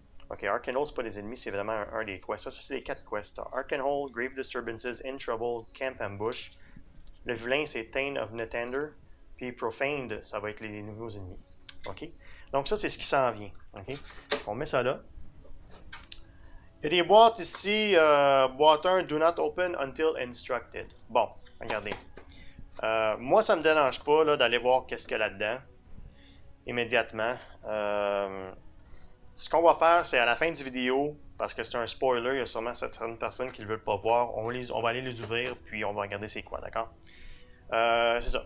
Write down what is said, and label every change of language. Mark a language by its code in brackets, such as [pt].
[fr] Ok, Arkenhold, c'est pas des ennemis, c'est vraiment un des quests. Ça, c'est les quatre quests. [en] Arkenhold, Grave Disturbances, In Trouble, Camp Ambush. [fr] Le vilain, c'est Tain of Netander. Puis Profaned, ça va être les nouveaux ennemis. Ok? Donc, ça, c'est ce qui s'en vient. Ok? On met ça là. Il y a des boîtes ici. Boîte 1, [en] Do not open until instructed. [fr] Bon, regardez. Moi, ça me dérange pas là, d'aller voir qu'est-ce qu'il y a là-dedans. Immédiatement. Ce qu'on va faire, c'est à la fin du vidéo, parce que c'est un spoiler, il y a sûrement certaines personnes qui ne veulent pas voir, on va aller les ouvrir, puis on va regarder c'est quoi, d'accord? C'est ça.